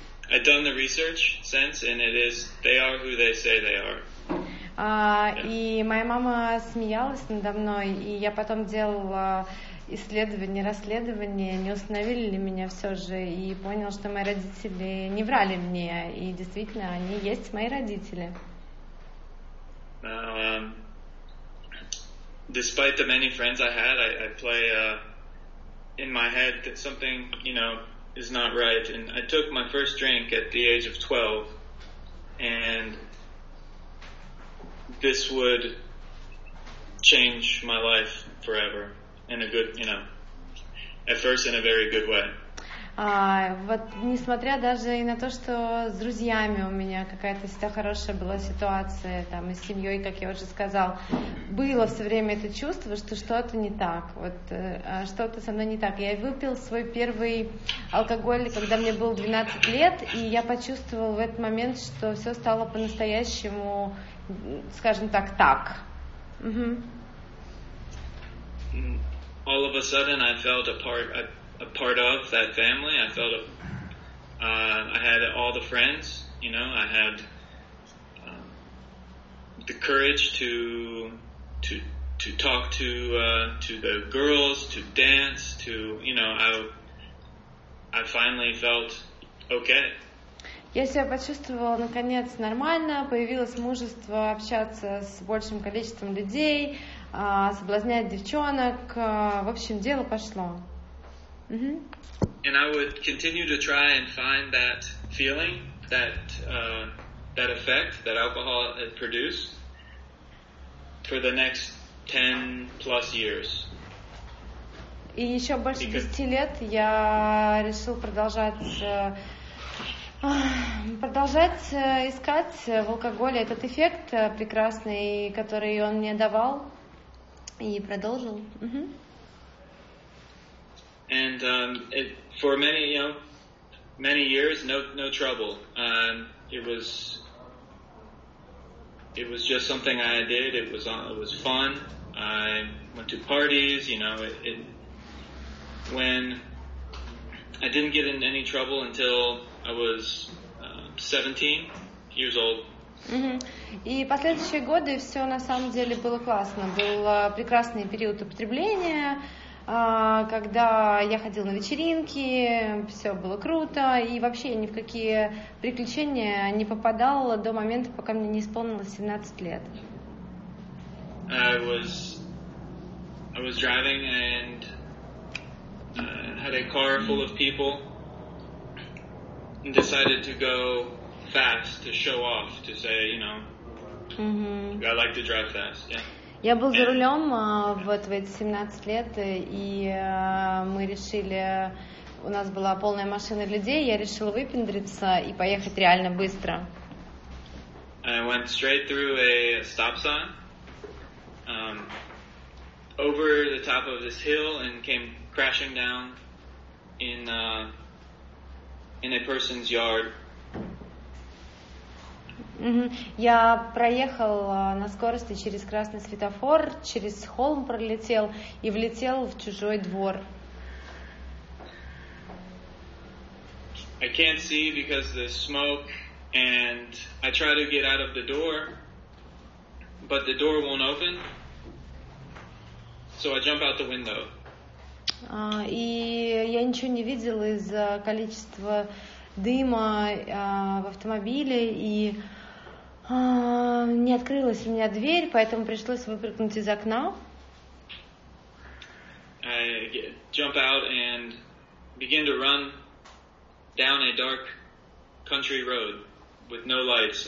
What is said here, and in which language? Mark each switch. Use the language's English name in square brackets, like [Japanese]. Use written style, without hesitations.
[English] I've done the research since, and it is they are who they say they are. [Russian] И моя мама смеялась надо мной, и я потом делала исследование, расследование, не установили ли меня все же, и понял, что мои родители не врали мне, и действительно, они есть мои родители. [English] Despite the many friends I had, I play in my head that something, you know, is not right, and I took my first drink at the age of 12, and this would change my life forever in a good, you know, at first in a very good way. [Russian] Вот несмотря даже и на то, что с друзьями у меня какая-то всегда хорошая была ситуация, там, и с семьей, как я уже сказал, было все время это чувство, что что-то не так, вот что-то со мной не так. Я выпил свой первый алкоголь, когда мне было 12 лет, и я почувствовал в этот момент, что все стало по-настоящему, скажем так, так. [English] All of a sudden I felt a part of that family. I felt I had all the friends, you know, I had the courage to to talk to the girls, to dance, to, you know, I finally felt okay. [Russian] Я себя почувствовала наконец нормально, появилось мужество общаться с большим количеством людей, соблазнять девчонок, в общем, дело пошло. Угу. [English] And I would continue to try and find that feeling, that that effect that alcohol had produced for the next 10 plus years. [Russian] И еще больше 10 лет я решил продолжать искать в алкоголе этот эффект прекрасный, который он мне давал, и продолжил. [English] And it, for many, you know, many years, no trouble. It was just something I did. It was fun. I went to parties, you know. When I didn't get in any trouble until I was 17 years old. [Russian] Угу. И последующие годы все на самом деле было классно. Был прекрасный период употребления, когда я ходил на вечеринки, все было круто, и вообще ни в какие приключения не попадал до момента, пока мне не исполнилось 17 лет. [English] I was driving and had a car full of people and decided to go fast to show off, to say, you know, I like to drive fast, yeah. [Russian] Я был за рулем вот в эти 17 лет, и мы решили, у нас была полная машина людей, я решила выпендриться и поехать реально быстро. [English] I went straight through a stop sign, over the top of this hill, and came crashing down in a person's yard. [Russian] Я проехал на скорости через красный светофор, через холм пролетел и влетел в чужой двор. [English] I can't see because of the smoke, and I try to get out of the door, but the door won't open, so I jump out the window. [Russian] И я ничего не видел из-за количества дыма в автомобиле, и не открылась у меня дверь, поэтому пришлось выпрыгнуть из окна. [English] I jump out and begin to run down a dark country road with no lights.